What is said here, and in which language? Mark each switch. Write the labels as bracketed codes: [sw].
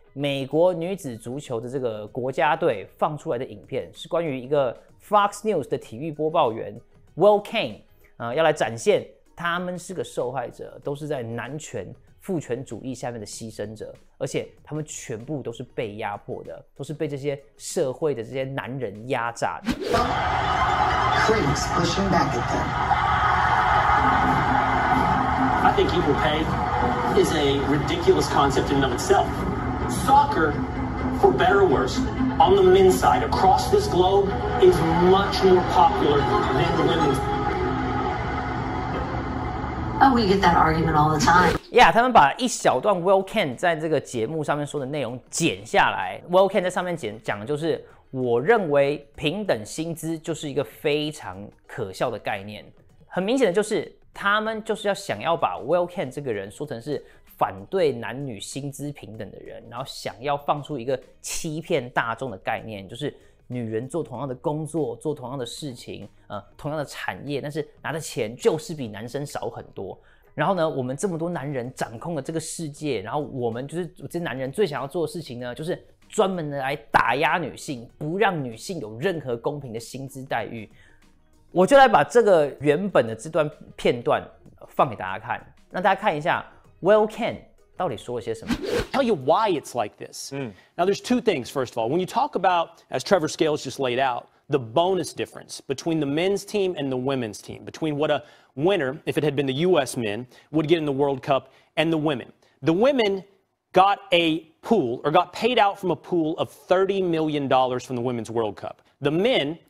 [zh] 美国女子足球的这个国家队放出来的影片，是关于一个 Fox News 的体育播报员 Will Kane， 要来展现他们是个受害者，都是在男权父权主义下面的牺牲者，而且他们全部都是被压迫的，都是被这些社会的这些男人压榨的。 [en] Cranes pushing back at them. I think equal pay. Is a ridiculous concept in and of itself. Soccer, for better or worse, on the men's side across this globe, is much more popular than the women's. Oh, we get that argument all the time. [zh] Yeah, 他们把一小段 Will Kane 在这个节目上面说的内容剪下来。 Will Kane 在上面讲的就是，我认为平等薪资就是一个非常可笑的概念。很明显的就是。他们就是要想要把 Will Kane 这个人说成是反对男女薪资平等的人，然后想要放出一个欺骗大众的概念，就是女人做同样的工作、做同样的事情、同样的产业，但是拿的钱就是比男生少很多。然后呢，我们这么多男人掌控了这个世界，然后我们就是这些男人最想要做的事情呢，就是专门的来打压女性，不让女性有任何公平的薪资待遇。我就来把这个原本的这段片段放给大家看，让大家看一下 Will Kane 到底说了些什么。 [en] Tell you why it's like this. Now there's two things. First of all, when you talk about, as Trevor Scales just laid out, the bonus difference between the men's team and the women's team, between what a winner, if it had been the U.S. men, would get in the World Cup and the women. The women got a pool or got paid out from a pool of $30 million from the Women's World Cup. The men.